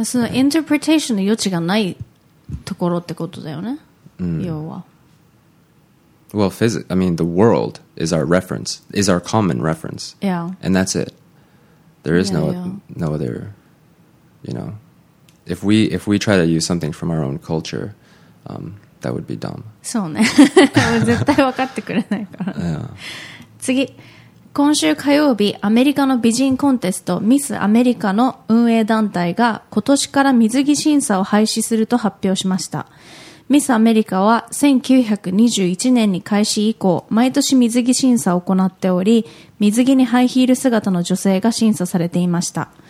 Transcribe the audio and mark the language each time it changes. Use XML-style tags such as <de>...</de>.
<ja>そのインタープレテーションの余地がないところってことだよね。 Mm. 要は。</ja> <en>Well, physics, I mean, the world is our reference, is our common reference. Yeah. And that's it. There is no other, you know. If we try to use something from our own culture, that would be dumb.</en> <ja>そうね。絶対分かってくれないから。</ja> <en>Yeah.</en> <ja>次。今週火曜日、アメリカの美人コンテスト、ミスアメリカの運営団体が今年から水着審査を廃止すると発表しました。ミスアメリカは1921年に開始以降、毎年水着審査を行っており、水着にハイヒール姿の女性が審査されていました。</ja>